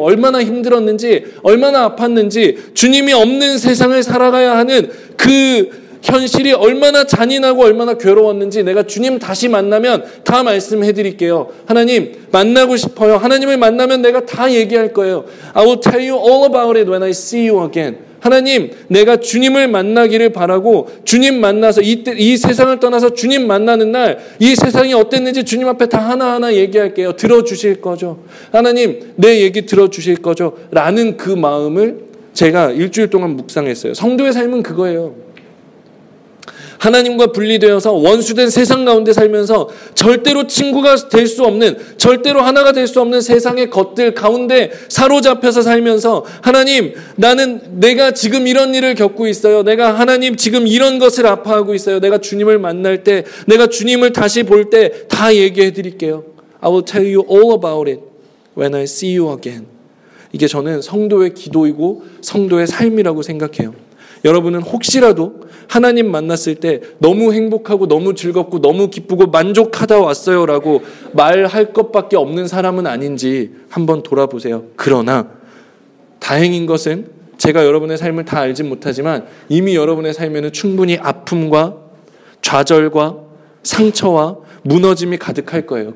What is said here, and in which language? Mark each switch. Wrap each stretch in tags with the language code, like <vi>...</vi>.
<ko>얼마나 힘들었는지 얼마나 아팠는지 주님이 없는 세상을 살아가야 하는 그 현실이 얼마나 잔인하고 얼마나 괴로웠는지 내가 주님 다시 만나면 다 말씀해 드릴게요. 하나님 만나고 싶어요. 하나님을 만나면 내가 다 얘기할 거예요.</ko> <en>I will tell you all about it when I see you again.</en> <ko>하나님 내가 주님을 만나기를 바라고 주님 만나서 이 세상을 떠나서 주님 만나는 날 이 세상이 어땠는지 주님 앞에 다 하나하나 얘기할게요. 들어주실 거죠. 하나님 내 얘기 들어주실 거죠. 라는 그 마음을 제가 일주일 동안 묵상했어요. 성도의 삶은 그거예요. 하나님과 분리되어서 원수된 세상 가운데 살면서 절대로 친구가 될 수 없는 절대로 하나가 될 수 없는 세상의 것들 가운데 사로잡혀서 살면서 하나님 나는 내가 지금 이런 일을 겪고 있어요. 내가 하나님 지금 이런 것을 아파하고 있어요. 내가 주님을 만날 때 내가 주님을 다시 볼 때 다 얘기해 드릴게요.</ko> <en>I will tell you all about it when I see you again.</en> <ko>이게 저는 성도의 기도이고 성도의 삶이라고 생각해요. 여러분은 혹시라도 하나님 만났을 때 너무 행복하고 너무 즐겁고 너무 기쁘고 만족하다 왔어요 라고 말할 것밖에 없는 사람은 아닌지 한번 돌아보세요. 그러나 다행인 것은 제가 여러분의 삶을 다 알진 못하지만 이미 여러분의 삶에는 충분히 아픔과 좌절과 상처와 무너짐이 가득할 거예요.</ko>